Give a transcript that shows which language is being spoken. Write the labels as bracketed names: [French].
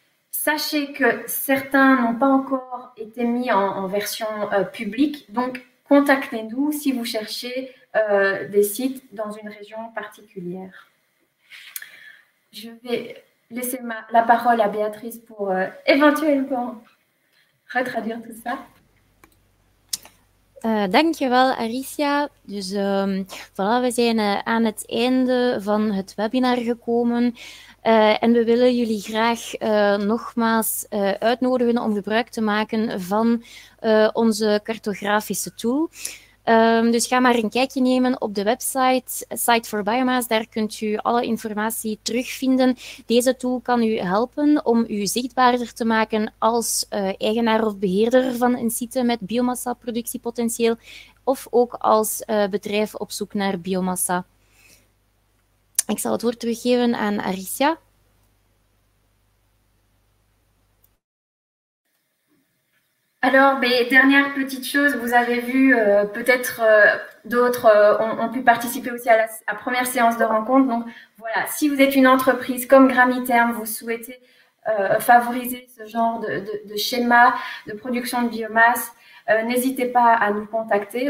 [French] Sachez que certains n'ont pas encore été mis en version publique, donc contactez-nous si vous cherchez des sites dans une région particulière. Je vais laisser la parole à Béatrice pour éventuellement retraduire tout ça. [Dutch] Dankjewel Aricia. Dus voilà, we zijn aan het einde van het webinar gekomen. En we willen jullie graag nogmaals uitnodigen om gebruik te maken van onze cartografische tool. Dus ga maar een kijkje nemen op de website, Site for Biomass. Daar kunt u alle informatie terugvinden. Deze tool kan u helpen om u zichtbaarder te maken als eigenaar of beheerder van een site met biomassa-productiepotentieel of ook als bedrijf op zoek naar biomassa. Ik zal het woord teruggeven aan Aricia. [French] Alors, mais dernière petite chose, vous avez vu, peut-être d'autres ont pu participer aussi à la première séance de rencontre. Donc voilà, si vous êtes une entreprise comme Gramiterm, vous souhaitez favoriser ce genre de schéma de production de biomasse, n'hésitez pas à nous contacter.